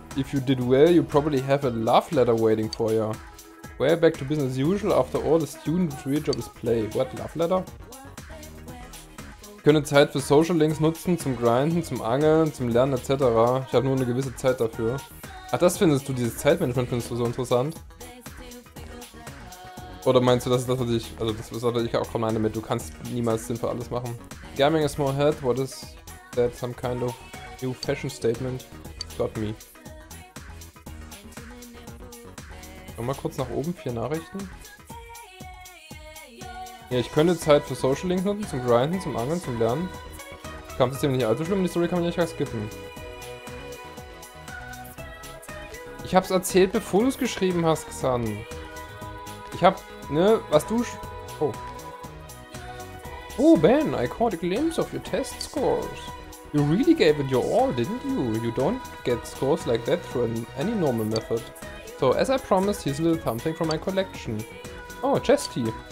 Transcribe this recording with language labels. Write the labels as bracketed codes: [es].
[en] If you did well, you probably have a love letter waiting for you. Well, back to business as usual. After all, the student's real job is play. What, love letter? [de] Könnte Zeit für Social Links nutzen, zum Grinden, zum Angeln, zum Lernen etc. Ich habe nur eine gewisse Zeit dafür. Ach, das findest du, dieses Zeitmanagement findest du so interessant? Oder meinst du, dass das, was ich. Also, das ist auch, ich auch meine damit, du kannst niemals sinnvoll alles machen. [en] Gaming a small hat, what is that? Some kind of new fashion statement? Got me. [de] Nochmal kurz nach oben, vier Nachrichten. Ja, ich könnte Zeit für Social Links nutzen, zum Grinden, zum Angeln, zum Lernen. Kampfsystem nicht allzu schlimm, die Story kann man ja nicht skippen. Ich hab's erzählt, bevor du es geschrieben hast, Xan. Ich hab. Ne, was du. Oh. [en] Oh, Ben, I caught a glimpse of your test scores. You really gave it your all, didn't you? You don't get scores like that through any normal method. So, as I promised, here's a little something from my collection. Oh, Chesty.